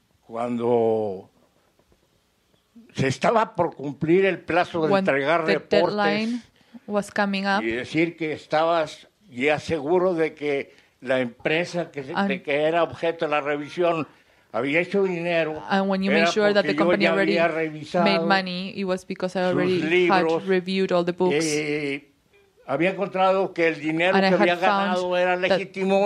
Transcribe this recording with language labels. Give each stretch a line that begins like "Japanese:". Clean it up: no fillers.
Spanish: Cuando se estaba por cumplir el plazo de entregar reportes
English: was coming up,
Spanish: y decir que estabas ya seguro de que la empresa que, de que era objeto de la revisión había hecho dinero,
English: and when you made sure that the company already made money, it was because I already had reviewed all the books.
Spanish: Había encontrado que el dinero que había ganado era legítimo